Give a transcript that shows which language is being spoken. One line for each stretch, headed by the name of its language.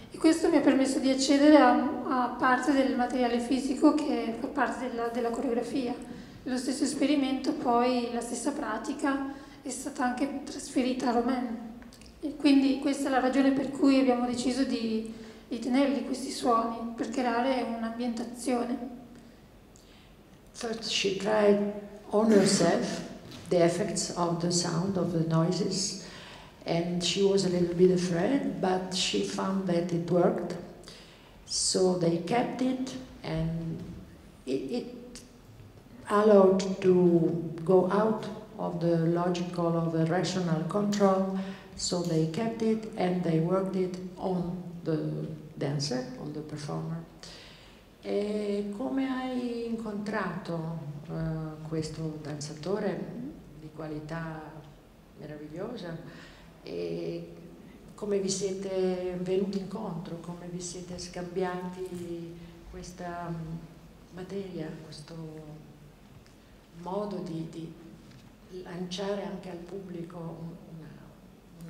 Italian: E questo mi ha permesso di accedere a parte del materiale fisico che fa parte della coreografia. Lo stesso esperimento, poi la stessa pratica, è stata anche trasferita a Romain. E quindi questa è la ragione per cui abbiamo deciso di tenerli questi suoni, per creare un'ambientazione.
English: First she tried on herself the effects of the sound, of the noises, and she was a little bit afraid, but she found that it worked, so they kept it, and it allowed to go out of the logical, of the rational control, so they kept it and they worked it on the dancer, on the performer.
Italian: E come hai incontrato questo danzatore di qualità meravigliosa? E come vi siete venuti incontro? Come vi siete scambiati questa materia, questo modo di lanciare anche al pubblico un